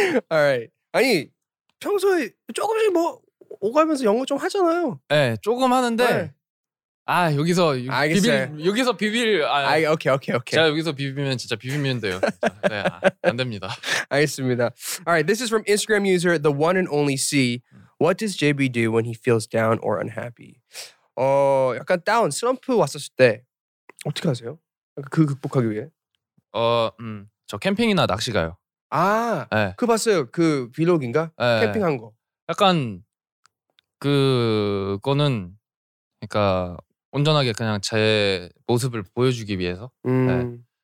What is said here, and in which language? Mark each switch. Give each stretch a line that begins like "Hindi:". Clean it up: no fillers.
English: Alright.
Korean: 아니 평소에 조금씩 뭐 오가면서 영어 좀 하잖아요. 네, 조금 하는데. 아 여기서 비빌 여기서 비빌 아 오케이 오케이 오케이 자 여기서 비비면 진짜 비비면 돼요. 네, 안 됩니다. 알겠습니다.
English: Alright, this is from Instagram user the one and only C. What does JB do when he feels down or unhappy?
Korean: 어 약간 다운 슬럼프 왔었을 때 어떻게 하세요? 그 극복하기 위해? 어 저 캠핑이나 낚시 가요. 아 네. 그 봤어요 그 블로그인가 네. 캠핑 한 거. 약간 그거는 그러니까 온전하게 그냥 제 모습을 보여주기 위해서 네.